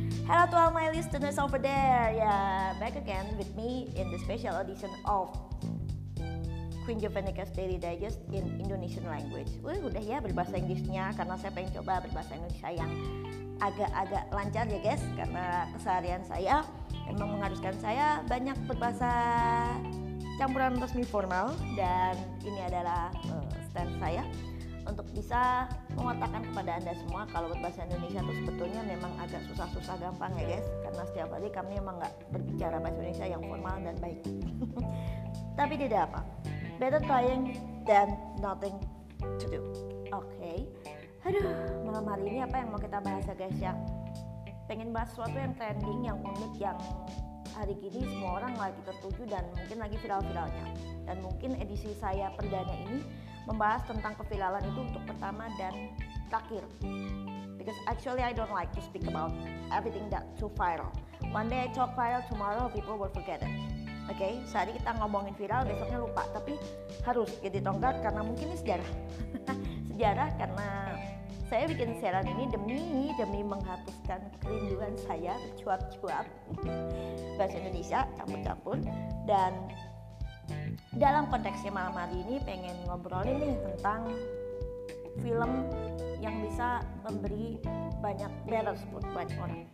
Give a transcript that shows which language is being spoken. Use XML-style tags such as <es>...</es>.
<en>Hello to all my listeners over there. Yeah, back again with me in the special edition of Queen Jovanica's Daily Digest in Indonesian language.</en> <id>Udah ya berbahasa Inggrisnya, karena saya pengen coba berbahasa Indonesia yang agak-agak lancar ya guys, karena keseharian saya memang mengharuskan saya banyak berbahasa campuran resmi formal, dan ini adalah stand saya untuk bisa mengatakan kepada anda semua kalau berbahasa Indonesia itu sebetulnya memang agak susah-susah gampang ya guys, karena setiap hari kami memang nggak berbicara bahasa Indonesia yang formal dan baik. Tapi tidak apa,</id> <en>better trying than nothing to do.</en> <id>Okay, aduh, malam hari ini apa yang mau kita bahas ya guys ya? Pengen bahas sesuatu yang trending, yang unik, yang hari ini semua orang lagi tertuju dan mungkin lagi viral-viralnya. Dan mungkin edisi saya perdana ini membahas tentang keviralan itu untuk pertama dan terakhir.</id> <en>Because actually I don't like to speak about everything that too viral. One day I talk viral, tomorrow people will forget it.</en> <id>Okay, sehari kita ngomongin viral, besoknya lupa. Tapi harus jadi tonggak karena mungkin ini sejarah. Sejarah karena saya bikin siaran ini demi menghapuskan kerinduan saya cuap-cuap bahasa Indonesia campur-campur. Dan dalam konteksnya malam hari ini pengen ngobrolin nih tentang film yang bisa memberi banyak letters buat banyak orang.</id>